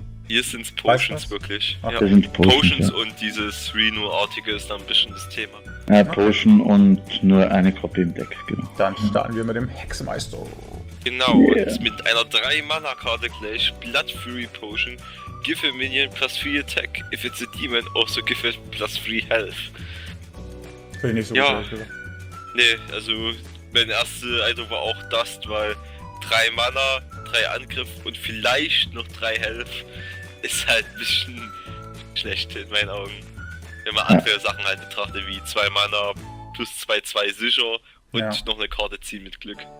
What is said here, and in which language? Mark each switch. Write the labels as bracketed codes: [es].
[de] Hier sind es Potions wirklich. Ach, ja. Sind Potions und dieses Reno-Artikel ist dann ein bisschen das Thema. Ja, Potion und nur eine Kopie im Deck, genau. Dann starten wir mit dem Hexenmeister. Genau, und mit einer 3-Mana-Karte gleich, Blood Fury Potion. [en] Give a minion plus 3 Attack. If it's a demon, also give it plus 3 Health. [de] Finde ich nicht so gut. Ja. Nee, also mein erster Eindruck war auch das, weil 3 Mana, 3 Angriff und vielleicht noch 3 Health ist halt ein bisschen schlecht in meinen Augen. Wenn man andere Sachen halt betrachtet, wie 2 Mana plus 2/2 sicher und noch eine Karte ziehen mit Glück.